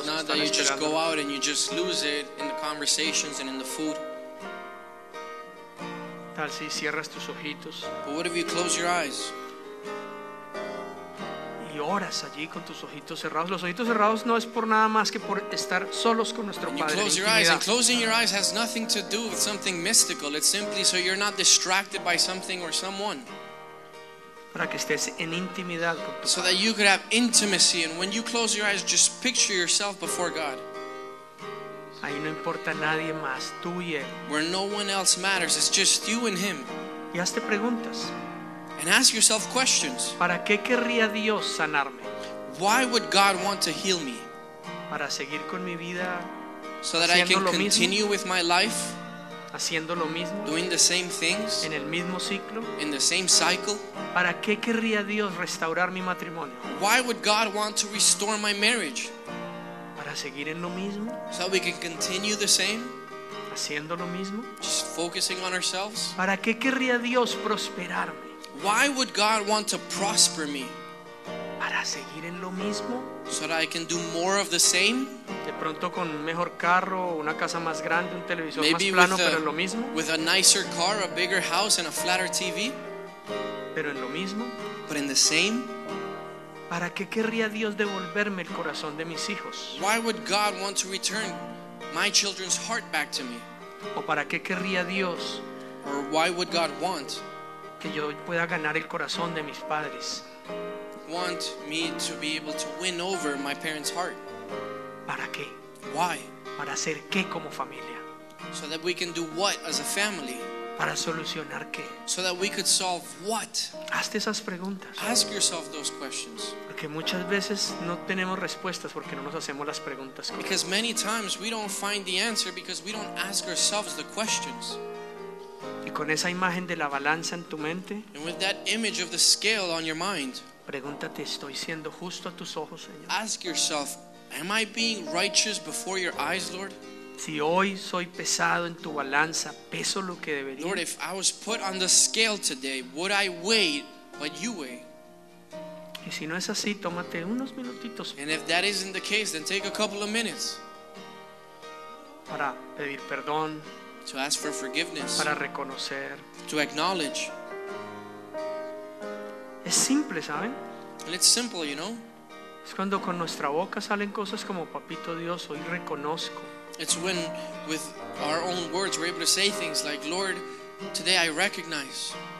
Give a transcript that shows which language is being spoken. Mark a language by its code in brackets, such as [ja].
[en] It's not that you just go out and you just lose it in the conversations and in the food. [es] Tal si cierras tus ojitos. [en] But what if you close your eyes? [es] Y oras allí con tus ojitos cerrados. Los ojitos cerrados no es por nada más que por estar solos con nuestro Padre. [en] You close your eyes, and closing your eyes has nothing to do with something mystical. It's simply so you're not distracted by something or someone. [es] Para que estés en intimidad con tu Padre. [en] So that you could have intimacy, and when you close your eyes, just picture yourself before God. [es] Ahí no importa nadie más, tú y él. [en] Where no one else matters, it's just you and him. [es] Y hazte preguntas. [en] And ask yourself questions. [es] ¿Para qué querría Dios sanarme? [en] Why would God want to heal me? [es] Para seguir con mi vida, [en] so that I can continue with my life, [es] haciendo lo mismo, [en] doing the same things, [es] en el mismo ciclo, [en] in the same cycle. [es] ¿Para qué querría Dios restaurar mi matrimonio? [en] Why would God want to restore my marriage? [es] Para seguir en lo mismo, [en] so we can continue the same. [es] Haciendo lo mismo. [en] Just focusing on ourselves. [es] ¿Para qué querría Dios prosperarme? [en] Why would God want to prosper me? [es] Para seguir en lo mismo. [en] So that I can do more of the same. [es] De pronto con un mejor carro, una casa más grande, un televisor más plano, pero en lo mismo. [en] With a nicer car, a bigger house, and a flatter TV. [es] Pero en lo mismo. [en] But in the same. [es] ¿Para qué querría Dios devolverme el corazón de mis hijos? [en] Why would God want to return my children's heart back to me? [es] ¿O para qué querría Dios? [en] Or why would God want [es] que yo pueda ganar el corazón de mis padres? [en] Want me to be able to win over my parents' heart? [es] ¿Para qué? [en] Why? [es] ¿Para hacer qué como familia? [en] So that we can do what as a family? [es] ¿Para solucionar qué? [en] So that we could solve what? [es] Hazte esas preguntas. [en] Ask yourself those questions. [es] Porque muchas veces no tenemos respuestas porque no nos hacemos las preguntas. [en] Because many times we don't find the answer because we don't ask ourselves the questions. [es] Y con esa imagen de la balanza en tu mente, [en] and with that image of the scale on your mind, [es] pregúntate, ¿estoy siendo justo a tus ojos, Señor? [en] Ask yourself, am I being righteous before your eyes, Lord? [es] Si hoy soy pesado en tu balanza, peso lo que debería. [en] Lord, if I was put on the scale today, would I weigh what you weigh? [es] Y si no es así, tómate unos minutitos. [en] And if that isn't the case, then take a couple of minutes. [es] Para pedir perdón. [en] To ask for forgiveness. [es] Para reconocer. [en] To acknowledge. [es] Es simple, ¿saben? [en] And it's simple, you know? [es] Es cuando con nuestra boca salen cosas como, Papito Dios, hoy reconozco. [en] It's when with our own words we're able to say things like, Lord, today I recognize